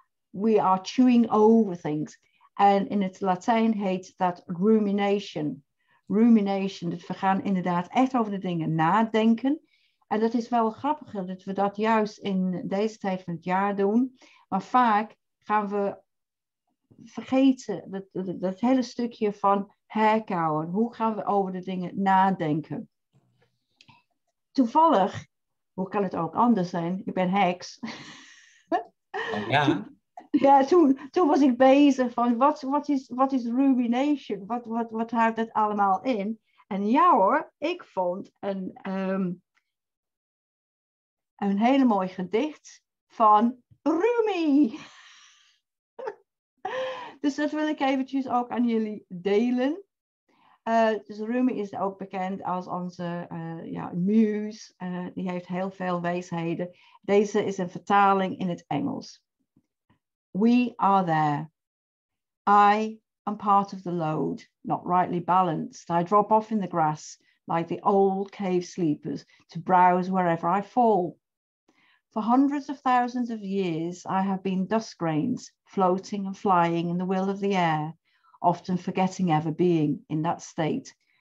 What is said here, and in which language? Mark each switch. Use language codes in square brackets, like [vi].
[en] We are chewing over things. [nl] En in het Latijn heet dat rumination. Rumination, dat we gaan inderdaad echt over de dingen nadenken. En dat is wel grappig dat we dat juist in deze tijd van het jaar doen. Maar vaak gaan we vergeten dat hele stukje van herkauwen. Hoe gaan we over de dingen nadenken? Toevallig, hoe kan het ook anders zijn? Ik ben heks. Ja. Ja, toen was ik bezig van wat is rumination? Wat houdt dat allemaal in? En ja hoor, ik vond een hele mooi gedicht van Rumi. Dus dat wil ik eventjes ook aan jullie delen. Dus Rumi is ook bekend als onze muse. Die heeft heel veel wijsheden. Deze is een vertaling in het Engels. [en] We are there. I am part of the load, not rightly balanced. I drop off in the grass like the old cave sleepers to browse wherever I fall. For hundreds of thousands of years, I have been dust grains floating and flying in the will of the air, often forgetting ever being in that state.